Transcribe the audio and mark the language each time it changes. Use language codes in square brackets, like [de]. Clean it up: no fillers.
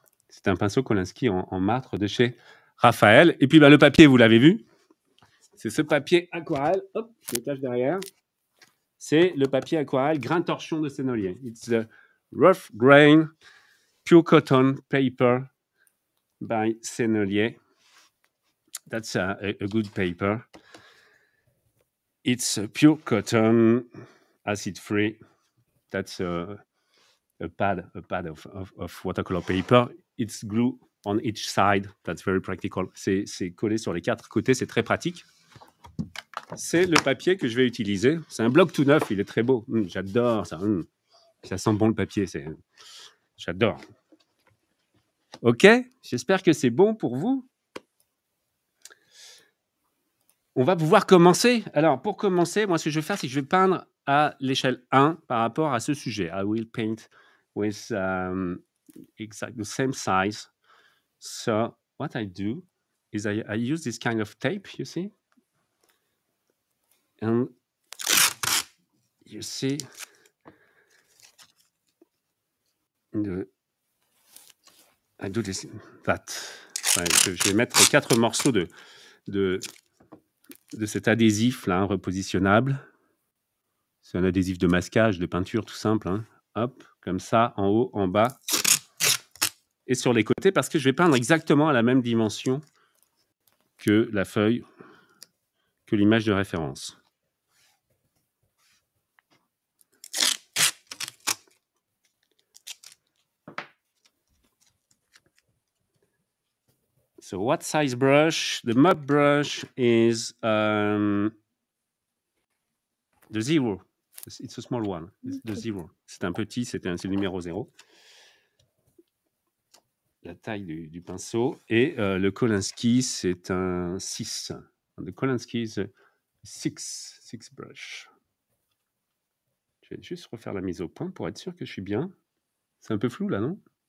[fr] C'est un pinceau Kolinsky en martre de chez Raphaël. Et puis, le papier, vous l'avez vu. C'est ce papier aquarelle. Hop, je le cache derrière. C'est le papier aquarelle grain torchon de Sennelier. [en] It's the rough grain pure cotton paper by Sennelier. That's a good paper. It's a pure cotton, acid free. That's a pad of watercolor paper. It's glue on each side. That's very practical. [fr] C'est collé sur les quatre côtés. C'est très pratique. C'est le papier que je vais utiliser. C'est un bloc tout neuf. Il est très beau. J'adore ça. Ça sent bon le papier. J'adore. OK. J'espère que c'est bon pour vous. On va pouvoir commencer. Alors, pour commencer, moi, ce que je vais faire, c'est que je vais peindre à l'échelle 1 par rapport à ce sujet. [en] I will paint with exactly the same size. So, what I do is I use this kind of tape, you see? And you see I do this, that. [fr] Ouais, je vais mettre 4 morceaux de cet adhésif là, hein, repositionnable. C'est un adhésif de masquage, de peinture, tout simple. Hein. Hop, comme ça, en haut, en bas et sur les côtés, parce que je vais peindre exactement à la même dimension que la feuille, que l'image de référence. [en] So what size brush? The mop brush is the zero. It's a small one. It's the zero. [fr] C'est un petit, c'est le numéro zéro. la taille du pinceau. Et le Kolinsky, c'est un 6. Le Kolinsky, c'est 6 brush. Je vais juste refaire la mise au point pour être sûr que je suis bien. C'est un peu flou, là, non?